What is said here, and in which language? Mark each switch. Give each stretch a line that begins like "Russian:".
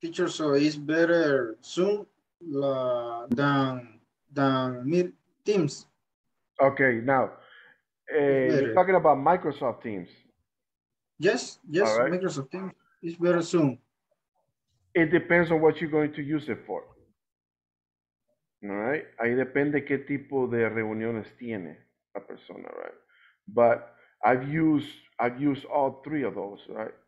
English: So it's better Zoom than Meet Teams. Okay, now, you're talking about Microsoft Teams. Yes, right. Microsoft Teams is better Zoom. It depends on what you're going to use it for.
Spanish: All right, ahí depende qué tipo de reuniones tiene la persona, right?
English: But I've used all three of those, right?